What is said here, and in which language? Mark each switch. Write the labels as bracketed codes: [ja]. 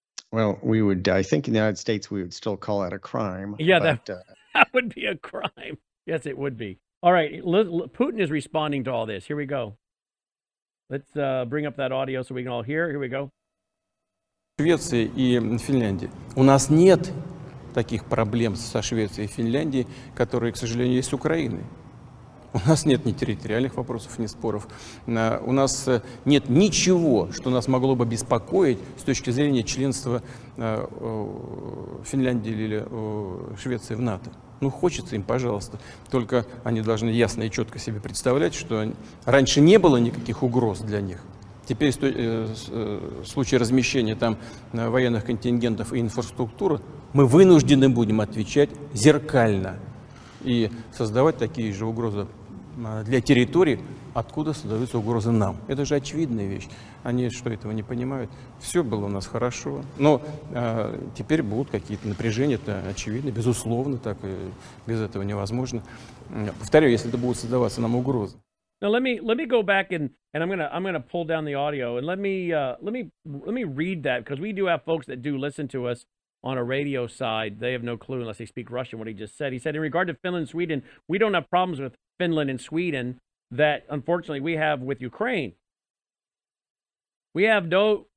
[en] Well, we would, I think in the United States, we would still call that a crime. Yeah, that would be a crime. Yes, it would be. All right. Putin is responding to all this. Here we go. Let's bring up that audio so we can all hear. Here we go. [ru] Швеции и Финляндии. У нас нет таких проблем со Швецией и Финляндией, которые, к сожалению, есть с Украиной. У нас нет ни территориальных вопросов, ни споров. У нас нет ничего, что нас могло бы беспокоить с точки зрения членства Финляндии или Швеции в НАТО. Ну, хочется им, пожалуйста. Только они должны ясно и четко себе представлять, что раньше не было никаких угроз для них. Теперь в случае размещения там военных контингентов и инфраструктуры мы вынуждены будем отвечать зеркально и создавать такие же угрозы для территории, откуда создаются угрозы нам. Это же очевидная вещь. Они что, этого не понимают? Все было у нас хорошо. Но теперь будут какие-то напряжения, это очевидно, безусловно, так и без этого невозможно. Повторяю, если это будут создаваться нам угрозы. [en] Now let me go back and I'm gonna pull down the audio and let me read that, because we do have folks that do listen to us on a radio side. They have no clue unless they speak Russian what he just said. He said, in regard to Finland and Sweden, we don't have problems with Finland and Sweden that unfortunately we have with Ukraine. We have no